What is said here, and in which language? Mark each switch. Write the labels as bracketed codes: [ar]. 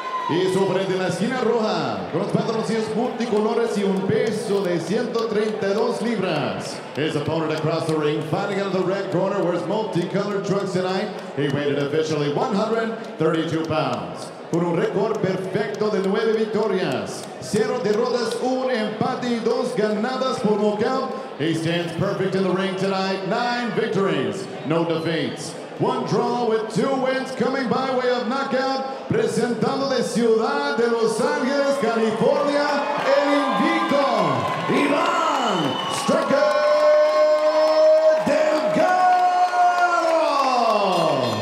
[es] Y su frente en la esquina roja, con los pantaloncillos multicolores y un peso de 132 libras. [en] His opponent across the ring, fighting out of the red corner, wears multicolored trunks tonight. He weighed officially 132 pounds. [es] Con un récord perfecto de 9 victorias, 0 derrotas, 1 empate y 2 ganadas por nocaut. [en] He stands perfect in the ring tonight. 9 victories, no defeats. 1 draw with 2 wins coming by way of knockout. [es] Presentando de Ciudad de Los Ángeles, California, el invicto, Iván Stricker Delgado.